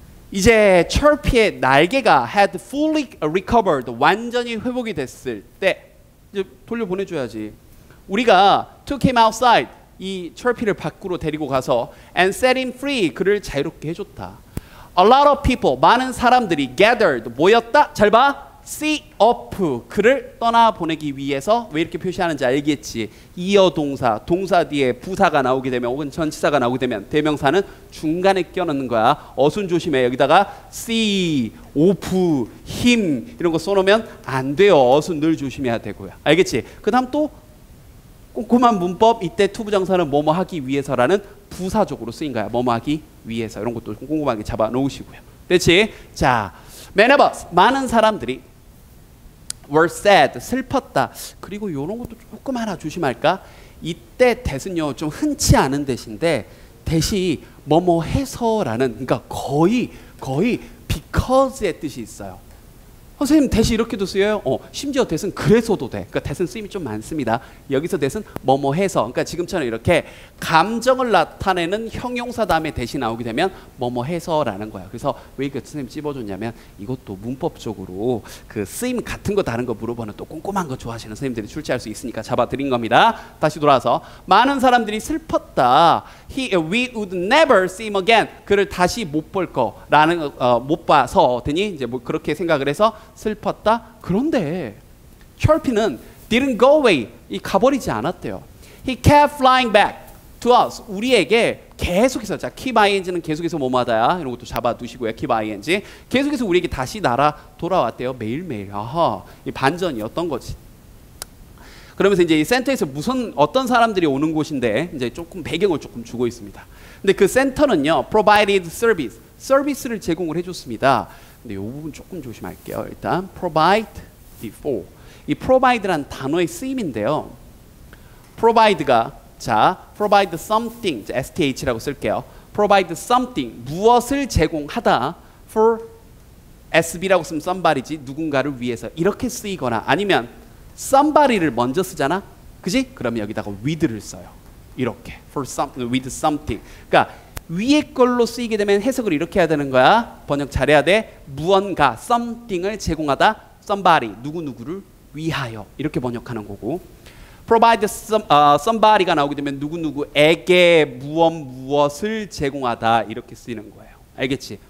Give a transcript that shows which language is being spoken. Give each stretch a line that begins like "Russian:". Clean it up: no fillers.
Korean: 이제 철피의 날개가
English: had fully recovered,
Korean: 완전히 회복이 됐을 때 이제 돌려 보내줘야지. 우리가
English: took him outside,
Korean: 이 철피를 밖으로 데리고 가서
English: and set him free,
Korean: 그를 자유롭게 해줬다.
English: A lot of people,
Korean: 많은 사람들이
English: gathered,
Korean: 모였다. 잘 봐. See up, 그를 떠나보내기 위해서 왜 이렇게 표시하는지 알겠지. 이어 동사, 동사 뒤에 부사가 나오게 되면 혹은 전치사가 나오게 되면 대명사는 중간에 껴넣는 거야. 어순 조심해. 여기다가 see, up, him 이런 거 써놓으면 안 돼요. 어순 늘 조심해야 되고요. 알겠지? 그 다음 또 꼼꼼한 문법, 이때 투부정사는 뭐뭐 하기 위해서라는 부사적으로 쓰인 거야. 뭐뭐 하기 위해서 이런 것도 꼼꼼하게 잡아놓으시고요. 됐지?
English: 자, many of us,
Korean: 많은 사람들이
English: were sad,
Korean: 슬펐다. 그리고 이런 것도 조금 하나 조심할까? 이때 that은요 좀 흔치 않은 대신데 대시 뭐뭐 해서라는, 그러니까 거의 because의 뜻이 있어요. 선생님 대시 이렇게도 쓰여요? 심지어 that은 그래서도 돼. 그러니까 that은 쓰임이 좀 많습니다. 여기서 that은 뭐뭐 해서, 그러니까 지금처럼 이렇게 감정을 나타내는 형용사 다음에 대시 나오게 되면 뭐뭐 해서라는 거야. 그래서 왜 이렇게 선생님 찝어줬냐면 이것도 문법적으로 그 쓰임 같은 거 다른 거 물어보는 또 꼼꼼한 거 좋아하시는 선생님들이 출제할 수 있으니까 잡아드린 겁니다. 다시 돌아와서 많은 사람들이 슬펐다.
English: We would never see him again.
Korean: 그를 다시 못 볼 거라는 못 봐서 되니 이제 뭐 그렇게 생각을 해서 슬펐다. 그런데 철피는
English: didn't go away.
Korean: 이 가버리지 않았대요.
English: He kept flying back to us.
Korean: 우리에게 계속해서, 자, keep ing는 계속해서 뭐마다야 이런 것도 잡아두시고요. keep ing 계속해서 우리에게 다시 날아 돌아왔대요. 매일매일. 아하, 이 반전이었던 거지. 그러면서 이제 이 센터에서 무슨 어떤 사람들이 오는 곳인데 이제 조금 배경을 조금 주고 있습니다. 근데 그 센터는요
English: provided service,
Korean: 서비스를 제공을 해줬습니다. 근데 이 부분 조금 조심할게요. 일단 provide before, 이 provide란 단어의 쓰임인데요. provide가, 자, provide something, STH라고 쓸게요. provide something, 무엇을 제공하다. for SB라고 쓰면 somebody지, 누군가를 위해서 이렇게 쓰이거나 아니면 somebody를 먼저 쓰잖아. 그지? 그러면 여기다가 with를 써요.
English: 이렇게 for some, with something.
Korean: 그러니까 위에 걸로 쓰이게 되면 해석을 이렇게 해야 되는 거야. 번역 잘해야 돼. 무언가 something을 제공하다. somebody, 누구누구를 위하여. 이렇게 번역하는 거고. provide somebody가 나오게 되면 누구누구에게 무언 무엇을 제공하다. 이렇게 쓰이는 거예요. 알겠지?